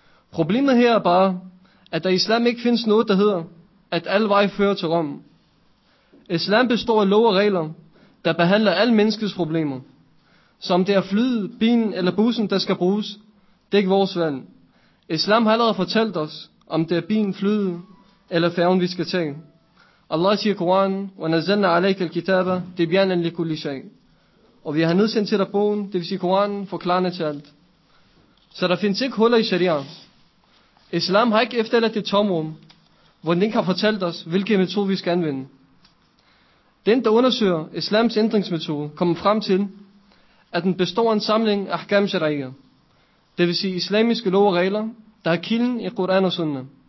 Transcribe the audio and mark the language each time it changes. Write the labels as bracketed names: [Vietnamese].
[Danish] Problemet her er bare, at der i islam ikke findes noget, der hedder, at alle veje fører til Rom. Islam består af lov og regler, der behandler alle menneskets problemer. Som det er flyet, bilen eller bussen, der skal bruges, det er ikke vores valg. Islam har allerede fortalt os, om det er bilen, flyet eller færgen, vi skal tage. [Arabic] Allah siger i Koranen, وَنَزَلْنَا عَلَيْكَ الْكِتَابَ تِبْيَانًا لِكُلِّ شَيْءٍ. [Danish] Og vi har nedsendt til dig bogen, det vil sige Koranen, forklarende til alt. Så der findes ikke huller i sharia. Islam har ikke efterladt et tomrum, hvor den ikke har fortalt os, hvilke metoder vi skal anvende. Den, der undersøger islams ændringsmetode, kommer frem til, at den består af en samling af ahkam sharia, det vil sige islamiske lov og regler, der er kilden i Quran og Sunna.